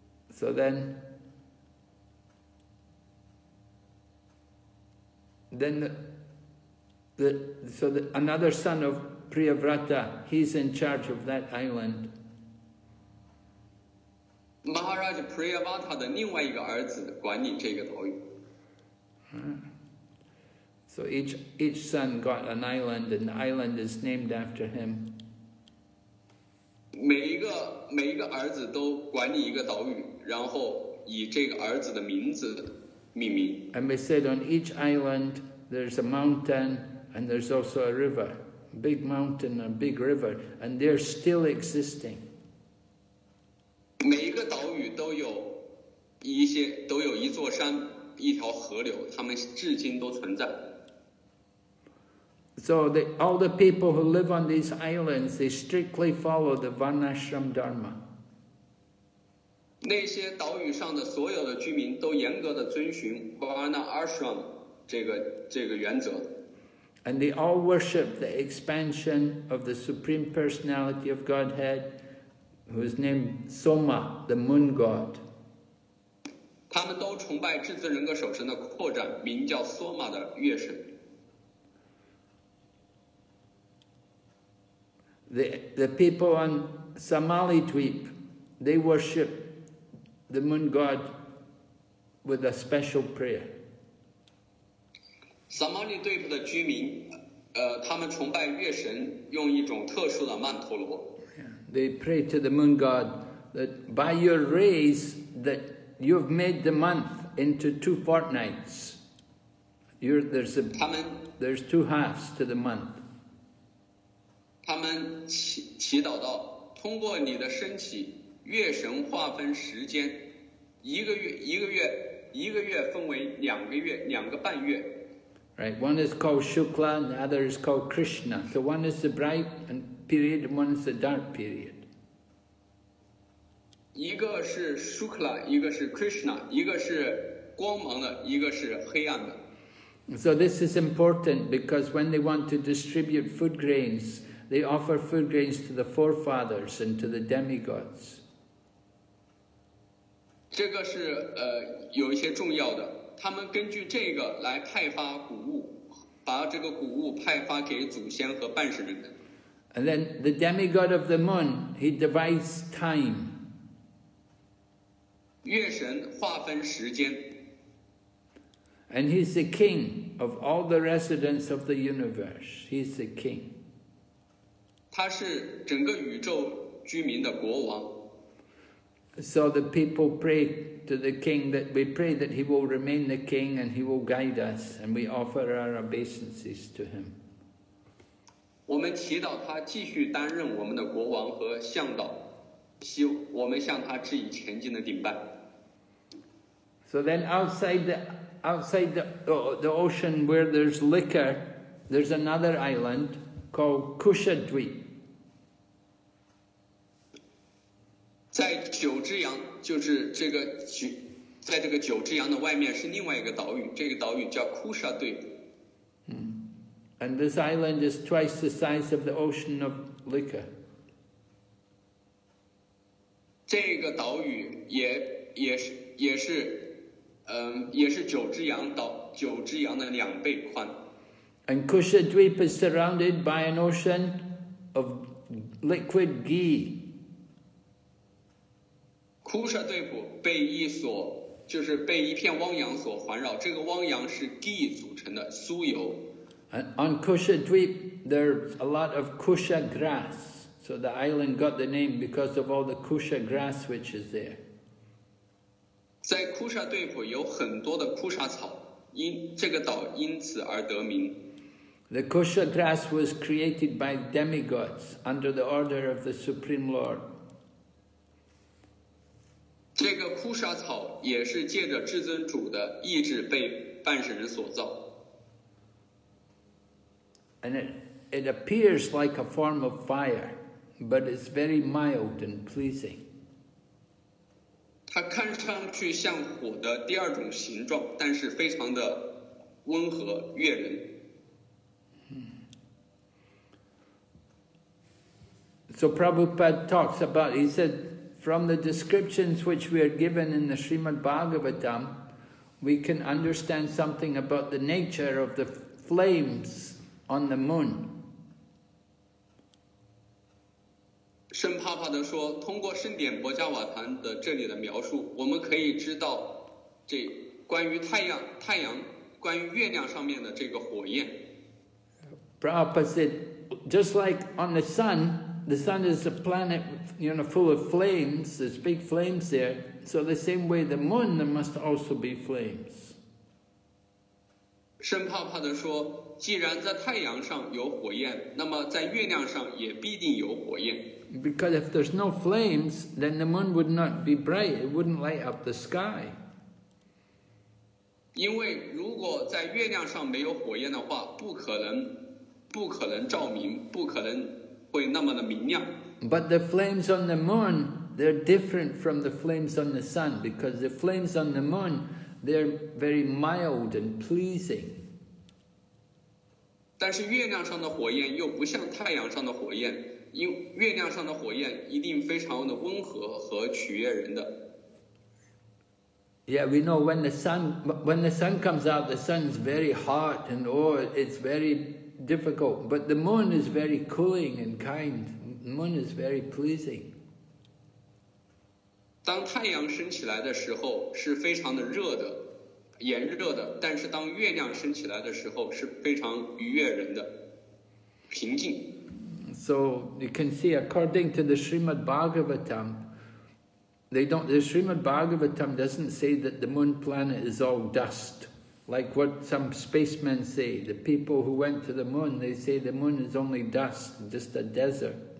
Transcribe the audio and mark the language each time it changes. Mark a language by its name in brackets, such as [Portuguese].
[English] So then, the another son of Priyavrata, he's in charge of that island. [Chinese] Maharaj Priyavrata 的另外一个儿子管理这个岛屿。 [English] So each son got an island, and the island is named after him. [Chinese] 每一个儿子都管理一个岛屿。然后以这个儿子的名字命名。 [English] And they said on each island there's a mountain and there's also a river, a big mountain and a big river, and they're still existing. [Chinese] 每一个岛屿都有一座山，一条河流，他们至今都存在。 [English] So all the people who live on these islands, they strictly follow the Varnashram Dharma. [Chinese] 那些岛屿上的所有的居民都严格的遵循 Varna Ashram 这个原则。 [English] And they all worship the expansion of the Supreme Personality of Godhead, who is named Soma, the moon god. [Chinese] 他们都崇拜至尊人格首神的扩展，名叫 Soma 的月神。 [English] The people on Samalidweep, they worship. The moon god with a special prayer. [Chinese] Samalidweep 的居民，他们崇拜月神，用一种特殊的曼陀罗。 [English] Yeah. They pray to the moon god that by your rays that you've made the month into two fortnights. There's two halves to the month. [Chinese] 他们祈祷到，通过你的升起，月神划分时间。一个月分为两个月，两个半月。 [English] Right, one is called Shukla, and the other is called Krishna. So one is the bright period, and one is the dark period. [Chinese] 一个是 Shukla, 一个是 Krishna, 一个是光芒的，一个是黑暗的。 [English] So this is important because when they want to distribute food grains, they offer food grains to the forefathers and to the demigods. [Chinese] 这个是有一些重要的，他们根据这个来派发谷物，把这个谷物派发给祖先和半神人。 [English] And then the demigod of the moon, he divides time. [Chinese] 月神划分时间。 [English] And he's the king of all the residents of the universe. He's the king. [Chinese] 他是整个宇宙居民的国王。 [English] So the people pray to the king that we pray that he will remain the king and he will guide us and we offer our obeisances to him. [Chinese] 我们祈祷他继续担任我们的国王和向导，希我们向他致以前进的顶拜。 [English] So then outside the ocean where there's liquor, there's another island called Kushadweep. [Chinese] 在九之洋，就是这个在这个九之洋的外面是另外一个岛屿，这个岛屿叫 Kushadweep。 [English] And this island is twice the size of the ocean of liquor. [Chinese] 这个岛屿也是九之洋的两倍宽。 [English] And Kushadweep is surrounded by an ocean of liquid ghee. [Chinese] Kushadvipa 被一所就是被一片汪洋所环绕，这个汪洋是 Ghee 组成的酥油。 [English] And on Kushadvipa there's a lot of Kusha grass, so the island got the name because of all the Kusha grass which is there. [Chinese] 在 Kushadvipa 有很多的 Kusha 草，因这个岛因此而得名。 [English] The Kusha grass was created by demigods under the order of the Supreme Lord. [Chinese] 这个 Kusha 草也是借着至尊主的意志被半神人所造。 [English] And it appears like a form of fire, but it's very mild and pleasing. [Chinese] 它看上去像火的第二种形状，但是非常的温和悦人。 [English] So Prabhupada talks about, he said, from the descriptions which we are given in the Srimad Bhagavatam, we can understand something about the nature of the flames on the moon. [Chinese] 圣帕帕地说，通过圣典博迦瓦坛的这里的描述，我们可以知道这关于太阳关于月亮上面的这个火焰。 [English] Prabhupada said, just like on the sun,The sun is a planet, you know, full of flames. There's big flames there. So the same way, the moon, there must also be flames. [Chinese] 圣帕帕地说，既然在太阳上有火焰，那么在月亮上也必定有火焰。 [English] Because if there's no flames, then the moon would not be bright. It wouldn't light up the sky. [Chinese] 因为如果在月亮上没有火焰的话，不可能照明，不可能。会那么的明亮。 [English] But the flames on the moon, they're different from the flames on the sun, because the flames on the moon, they're very mild and pleasing. [Chinese] 但是月亮上的火焰又不像太阳上的火焰，因为月亮上的火焰一定非常的温和和取悦人的。 [English] Yeah, we know when the sun comes out, the sun's very hot and oh, it's very. Difficult, but the moon is very cooling and kind. Moon is very pleasing. [Chinese] 当太阳升起来的时候是非常的热的，炎热的。但是当月亮升起来的时候是非常愉悦人的，平静。 [English] So you can see, according to the Srimad Bhagavatam, the Srimad Bhagavatam doesn't say that the moon planet is all dust. Like what some spacemen say, the people who went to the moon, they say the moon is only dust, just a desert.